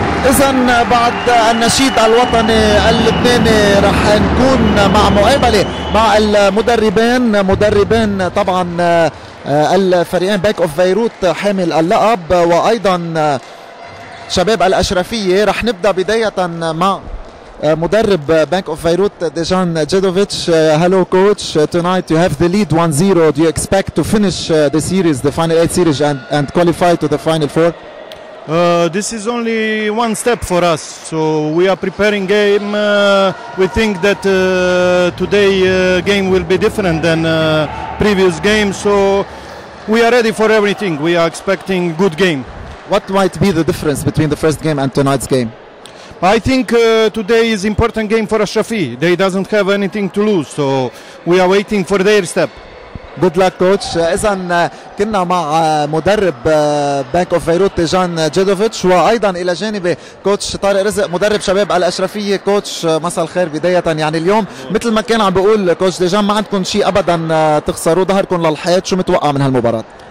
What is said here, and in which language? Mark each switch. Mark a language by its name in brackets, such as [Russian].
[Arabic] إذن بعد النشيد الوطني اللبناني رح نكون مع مقابلة مع المدربين طبعا الفريقين بنك اوف بيروت حامل اللقب وأيضا شباب الأشرفية. رح نبدأ بداية مع مدرب بنك اوف بيروت ديجان جيدوفيتش. [English] هالو كوتش, tonight you have the lead 1-0, do you expect to finish the series, the final 8 series and qualify to the final 4? This is only one step for us, so we are preparing game. We think that today game will be different than previous game, so we are ready for everything. We are expecting good game. What might be the difference between the first game and tonight's game? I think today is important game for Achrafieh. They doesn't have anything to lose, so we are waiting for their step. Good luck coach. [Arabic] اذا كنا مع مدرب بنك اوف بيروت جان جيدوفيتش وايضا الى جانبي كوتش طارق رزق مدرب شباب الاشرفيه. كوتش مساء الخير بدايه, يعني اليوم مثل ما كان عم بيقول كوتش ديجان ما عندكم شيء ابدا تخسروا, ظهركم للحياه, شو متوقع من هالمباراه؟